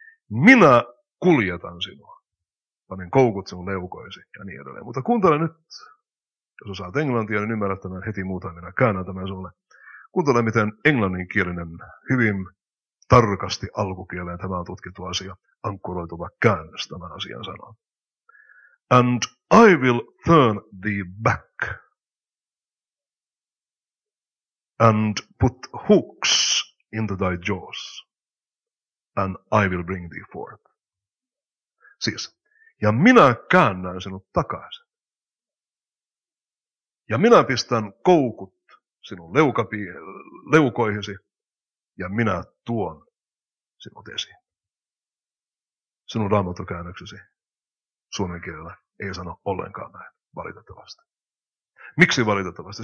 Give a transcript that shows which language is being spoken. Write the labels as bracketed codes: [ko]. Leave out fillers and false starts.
[fi] Minä kuljetan sinua. Panen koukut sinun leukoisi ja niin edelleen. Mutta kuuntele nyt, jos osaat englantia, niin ymmärrät tämän heti muutamina. Käännän tämän sinulle. Kuuntele, miten englanninkielinen hyvin tarkasti alkukieleen tämä on tutkittu asia. Ankkuroituva käännös tämän asian sanoo. [en] And I will turn thee back. And put hooks into thy jaws, and I will bring thee forth. [fi] Siis, ja minä käännän sinut takaisin. Ja minä pistän koukut sinun leukoihisi, ja minä tuon sinut esiin. Sinun raamattokäännöksesi suomen kielellä ei sano ollenkaan näin, valitettavasti. Miksi valitettavasti?